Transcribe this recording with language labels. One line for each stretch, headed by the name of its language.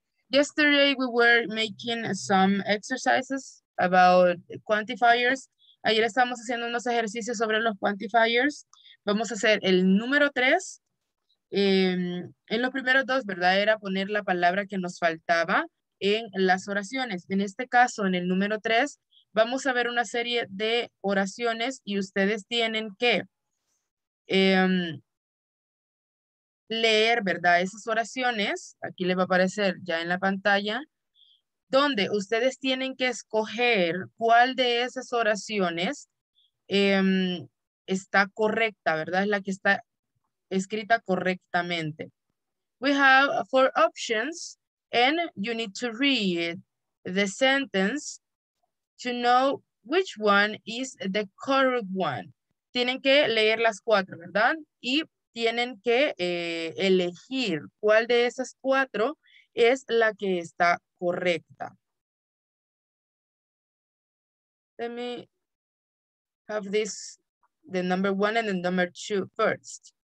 English: Yesterday we were making some exercises about quantifiers.
Spanish: Ayer estamos haciendo unos ejercicios sobre los quantifiers. Vamos a hacer el número 3. En los primeros dos, ¿verdad? Era poner la palabra que nos faltaba en las oraciones. En este caso, en el número 3, vamos a ver una serie de oraciones y ustedes tienen que leer, ¿verdad? Esas oraciones, aquí les va a aparecer ya en la pantalla, donde ustedes tienen que escoger cuál de esas oraciones está correcta, ¿verdad? Es la que está escrita correctamente.
English: We have 4 options and you need to read the sentence to know which one is the correct one.
Spanish: Tienen que leer las 4, ¿verdad? Y tienen que elegir cuál de esas 4 es la que está correcta.
English: Let me have this, the number 1 and the number 2 first.